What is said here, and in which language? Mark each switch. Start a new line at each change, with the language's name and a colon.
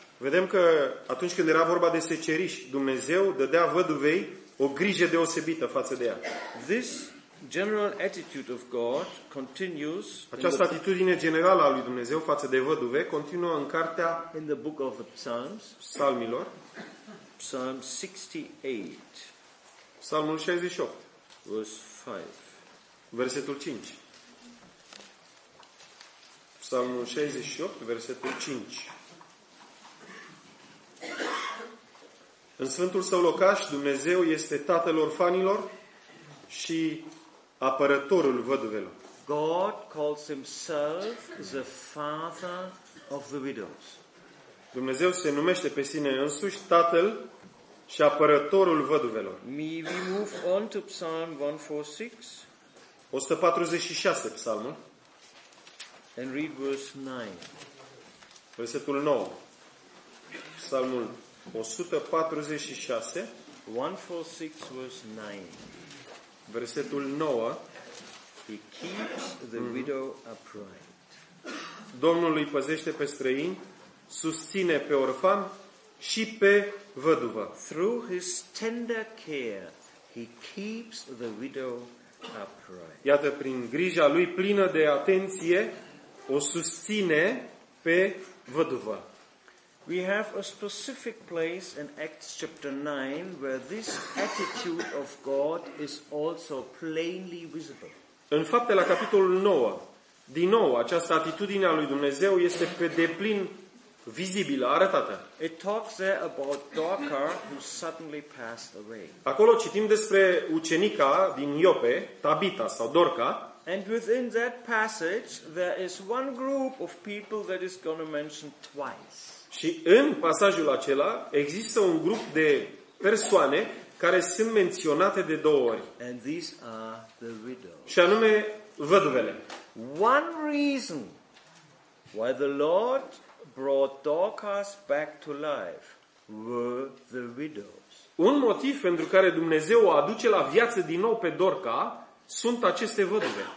Romanian: Vedem că atunci când era vorba de seceriș, Dumnezeu dădea văduvei o grijă deosebită față de ea.
English: This general attitude of God continues.
Romanian: Această atitudine generală a lui Dumnezeu față de văduve continuă în cartea
English: in the book of the Psalms,
Romanian: Psalmilor.
English: Psalm 68.
Romanian: Psalmul 68.
English: Verse 5.
Romanian: Versetul 5. Psalmul 68, versetul 5. În Sfântul Său locaș, Dumnezeu este tatăl orfanilor și apărătorul văduvelor.
English: God calls himself the father of the widows.
Romanian: Dumnezeu se numește pe sine însuși tatăl și apărătorul văduvelor.
English: We move on to Psalm 146.
Romanian: 146 psalmul.
English: And read verse 9.
Romanian: Versetul 9. Psalmul 146.
English: 146 verse 9.
Romanian: Versetul 9.
English: He keeps the widow upright.
Romanian: Domnul îi păzește pe străin, susține pe orfan și pe văduvă.
English: Through his tender care, he keeps the widow upright.
Romanian: Iată, prin grija lui plină de atenție, o susține pe văduvă.
English: We have a specific place in Acts chapter 9 where this attitude of God is also plainly visible.
Romanian: În Faptele, la capitolul 9, din nou, această atitudine a lui Dumnezeu este pe deplin vizibilă, arătată.
English: It talks there about Dorcas who suddenly passed away.
Romanian: Acolo citim despre ucenica din Iope, Tabita sau Dorca.
English: And within that passage there is one group of people that is going to mention twice.
Romanian: Și în pasajul acela există un grup de persoane care sunt menționate de două ori.
English: And these are the widows.
Romanian: Și anume văduvele.
English: One reason why the Lord brought Dorcas back to life were the widows.
Romanian: Un motiv pentru care Dumnezeu o aduce la viață din nou pe Dorca sunt aceste văduve.